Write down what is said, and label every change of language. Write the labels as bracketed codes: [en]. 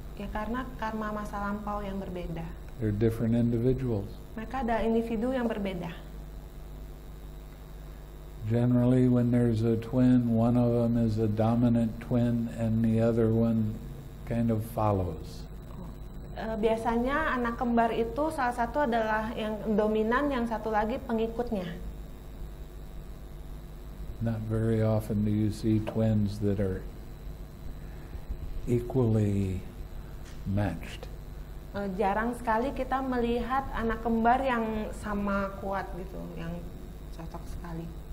[id] Ya, karena karma masa lampau yang berbeda. [en] They're different individuals. [id] Mereka ada individu yang berbeda. [en] Generally, when there's a twin, one of them is a dominant twin, and the other one kind of follows. [id] Biasanya anak kembar itu salah satu adalah yang dominan, yang satu lagi pengikutnya. [en] Not very often do you see twins that are equally matched. [id] Jarang sekali kita melihat anak kembar yang sama kuat gitu, yang cocok sekali.